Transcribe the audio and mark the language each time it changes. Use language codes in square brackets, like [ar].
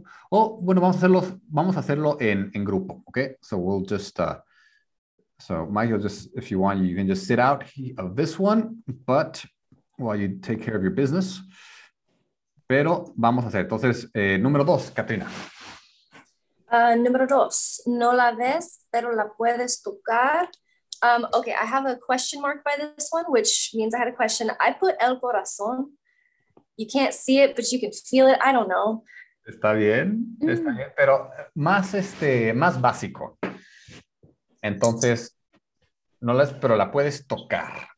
[es] Oh, bueno, vamos a hacerlo en grupo, okay. [en] So we'll just, so Michael, just if you want, you can just sit out of this one, but while you take care of your business. [es] Pero vamos a hacer. Entonces número dos, Katrina. Número dos, no la ves, pero la puedes tocar. [en] Okay, I have a question mark by this one, which means I had a question. I put [es] el corazón. [en] You can't see it, but you can feel it. I don't know. [es] Está bien, pero más más básico. Entonces, no las, pero la puedes tocar.